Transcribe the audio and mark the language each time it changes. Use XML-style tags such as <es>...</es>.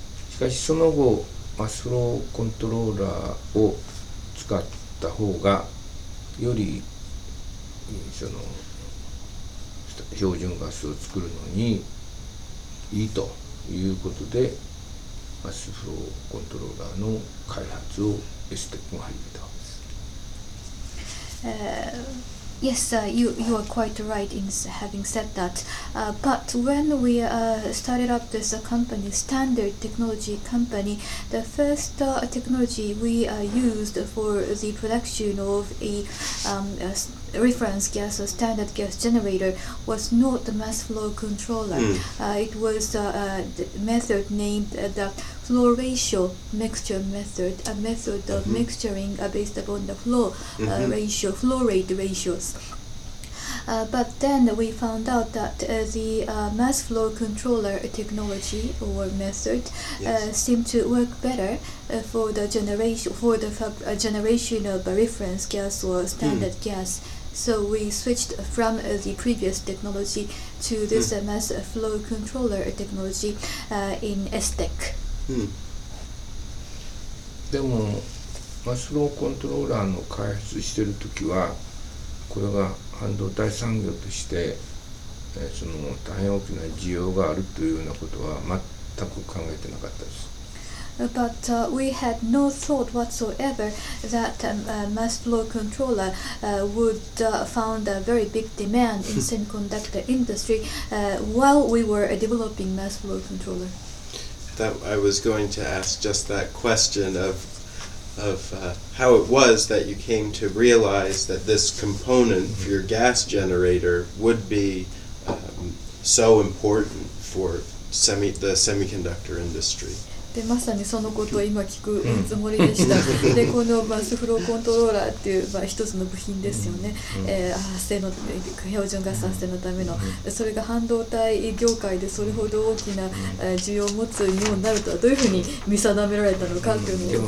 <ja>しかしその後マスフローコントローラーを使った方がよりその標準ガスを作るのにいいということでマスフローコントローラーの開発を S-Tech が始めたわけです。</ja> <en>Yes, you are quite right in having said that. But when we started up this company, Standard Technology Company, the first technology we used for the production of a reference gas or standard gas generator was not the mass flow controller. It was the method named the flow ratio mixture method, a method of mixturing based upon the flow ratio, flow rate ratios. But then we found out that the mass flow controller technology or method seemed to work better for the generation generation of a reference gas or standard gas. So we switched from the previous technology to this mass flow controller technology in S-Tech.</en> <ja>でもマスフローコントローラーの開発してるときはこれが半導体産業として、その大変大きな需要があるというようなことは全く考えてなかったです。</ja> <en>But we had no thought whatsoever that mass flow controller would found a very big demand in semiconductor industry while we were developing mass flow controller. That I was going to ask just that question of how it was that you came to realize that this component, your gas generator, would be so important for the semiconductor industry.</en> <ja>でまさにそのことを今聞くつもりでした。でこのマスフローコントローラーっていう、まあ、一つの部品ですよね、発生の標準ガス発生のためのそれが半導体業界でそれほど大きな需要を持つようになるとはどういうふうに見定められたのかっていうの</ja>